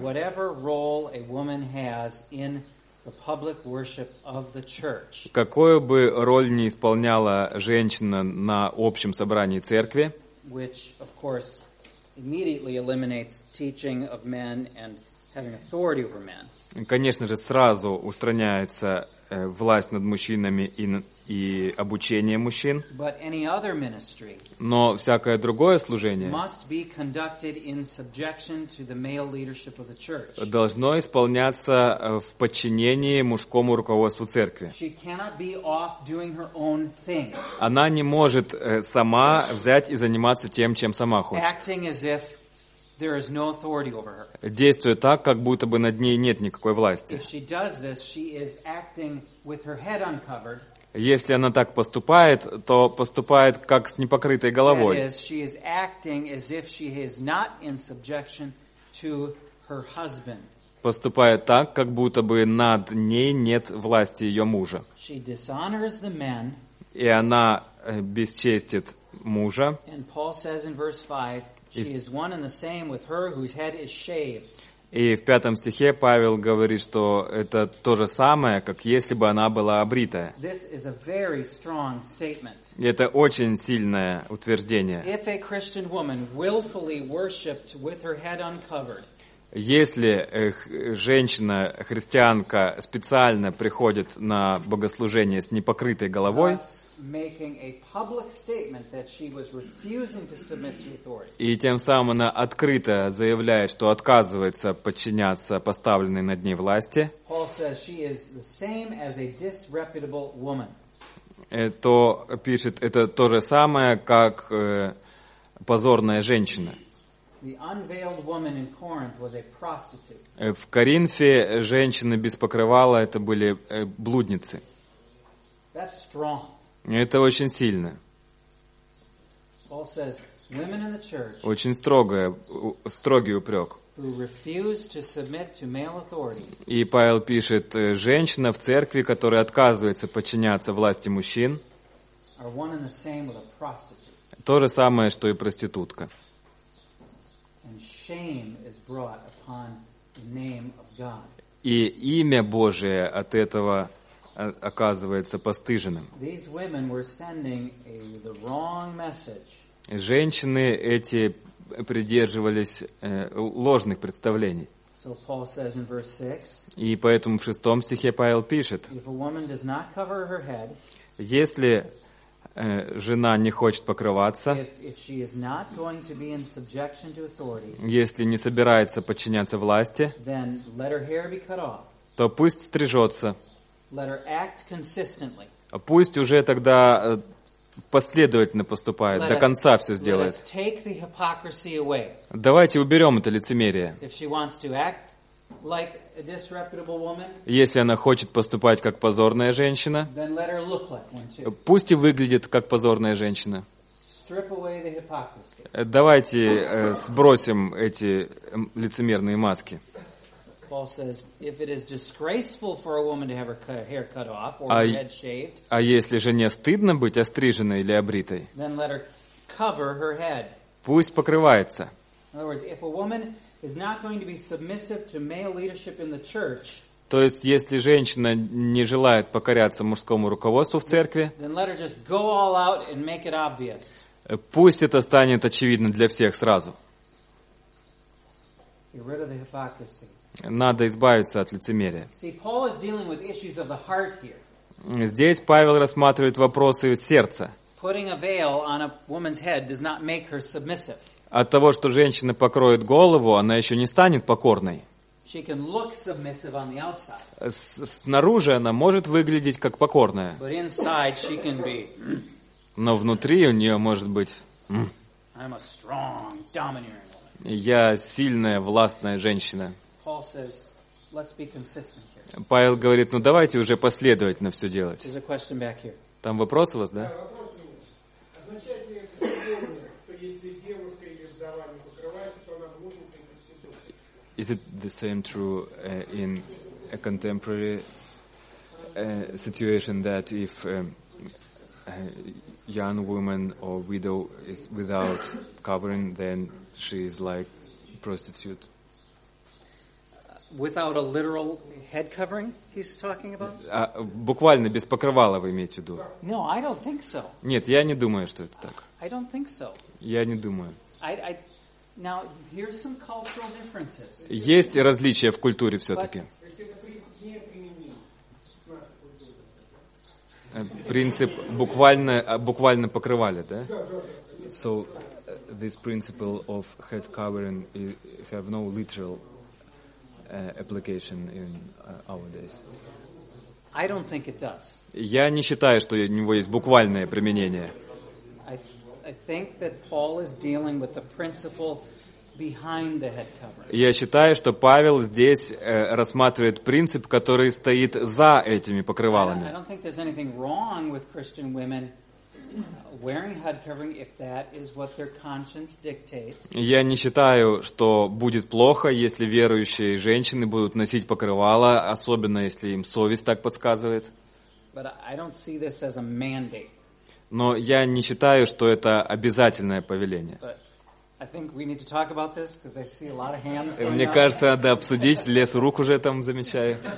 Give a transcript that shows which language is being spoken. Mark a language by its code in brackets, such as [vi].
[en] Whatever role a woman has in the public worship of the church. [ru] Какую бы роль ни исполняла женщина на общем собрании церкви, [en] which of course immediately eliminates teaching of men and having authority over men. [ru] Конечно же, сразу устраняется власть над мужчинами и обучение мужчин. [en] But any other ministry, [ru] но всякое другое служение [en] must be conducted in subjection to the male leadership of the church. [ru] Должно исполняться в подчинении мужскому руководству церкви. [en] She cannot be off doing her own thing. [ru] Она не может сама взять и заниматься тем, чем сама хочет. [en] Acting as if there is no authority over her. [ru] Действуя так, как будто бы над ней нет никакой власти. [en] If she does this, she is acting with her head uncovered. [ru] Если она так поступает, то поступает как с непокрытой головой. [en] That is, she is acting as if she is not in subjection to her husband. [ru] Поступает так, как будто бы над ней нет власти ее мужа. [en] She dishonors the men. [ru] И она бесчестит мужа. [en] And Paul says in verse 5, she is one and the same with her whose head is shaved. [ru] И в пятом стихе Павел говорит, что это то же самое, как если бы она была обритая. [en] This is a very strong statement. [ru] Это очень сильное утверждение. [en] If a Christian woman willfully worshipped with her head uncovered. [ru] Если женщина, христианка, специально приходит на богослужение с непокрытой головой, [en] making a public statement that she was refusing to submit to authority. [ru] И тем самым она открыто заявляет, что отказывается подчиняться поставленной над ней власти. [en] Paul says she is the same as a disreputable woman. [ru] Это пишет, это то же самое, как позорная женщина. [en] The unveiled woman in Corinth was a prostitute. [ru] В Коринфе женщины без покрывала это были блудницы. [en] That's strong. [ru] Это очень сильно. [en] Paul says, women in the church, [ru] очень строгий упрек. [en] Who refuse to submit to male authority. [ru] И Павел пишет, женщина в церкви, которая отказывается подчиняться власти мужчин, [en] are one and the same with a prostitute. [ru] То же самое, что и проститутка. [en] And shame is brought upon the name of God. [ru] И имя Божие от этого оказывается постыженным. [en] These women were sending the wrong message. [ru] Женщины эти придерживались ложных представлений. [en] So Paul says in verse 6, [ru] и поэтому в шестом стихе Павел пишет, [en] if a woman does not cover her head, [ru] если жена не хочет покрываться, [en] if she is not going to be in subjection to authority, [ru] если не собирается подчиняться власти, [en] then let her hair be cut off. [ru] То пусть стрижется. [en] Let her act consistently. [ru] Пусть уже тогда последовательно поступает, до конца все сделает. [en] Let us take the hypocrisy away. [ru] Давайте уберем это лицемерие. [en] If she wants to act like a disreputable woman, [ru] если она хочет поступать как позорная женщина, [en] then let her look like one too. [ru] Пусть и выглядит как позорная женщина. [en] Strip away the hypocrisy. [ru] Давайте сбросим эти лицемерные маски. [en] Paul says, if it is disgraceful for a woman to have her hair cut off or her head shaved, [ru] а если же не стыдно быть остриженной или обритой, [en] then let her cover her head. [ru] Пусть покрывается. [en] In other words, if a woman is not going to be submissive to male leadership in the church, [ru] то есть если женщина не желает покоряться мужскому руководству в церкви, [en] then let her just go all out and make it obvious. [ru] Пусть это станет очевидно для всех сразу. [en] Get rid of the hypocrisy. [ru] Надо избавиться от лицемерия. [en] See, Paul is dealing with issues of the heart here. [ru] Здесь Павел рассматривает вопросы сердца. [en] Putting a veil on a woman's head does not make her submissive. [ru] От того, что женщина покроет голову, она еще не станет покорной. [en] She can look submissive on the outside. [ru] Снаружи она может выглядеть как покорная. [en] But inside she can be. [ru] Но внутри у нее может быть... [en] I'm a strong, domineering woman. [ru] Я сильная, властная женщина. [en] Paul says, let's be consistent here. [ru] Павел говорит, ну давайте уже последовательно все делать. [en] There's a question back here. [ru] Там вопрос у вас, да? Да, вопрос у вас. Означает ли это сегодня, что если девушка или вдова не покрывается, то она блудница и проститутка? [en] Is it the same true in a contemporary situation that if a young woman or widow is without covering, then she is like prostitute? Without a literal head covering, he's talking about? [ru] Буквально без покрывала вы имеете в виду? [en] No, I don't think so. [ru] Нет, я не думаю, что это так. [en] I don't think so. [ru] Я не думаю. [en] I now here's some cultural differences. [ru] Есть различия в культуре все-таки. Принцип буквально покрывали, да? [en] So this principle of head covering have no literal application in our days. I don't think it does. [ru] Я не считаю, что у него есть буквальное применение. [en] I think that Paul is dealing with the principle behind the head covering. [ru] Я считаю, что Павел здесь рассматривает принцип, который стоит за этими покрывалами. [en] I don't think there's anything wrong with Christian women wearing head covering if that is what their conscience dictates. [ru] Я не считаю, что будет плохо, если верующие женщины будут носить покрывало, особенно если им совесть так подсказывает. [en] But I don't see this as a mandate. [ru] Но я не считаю, что это обязательное повеление. [en] I think we need to talk about this because I see a lot of hands. [ru] Мне кажется, надо обсудить, лес рук уже там замечаю.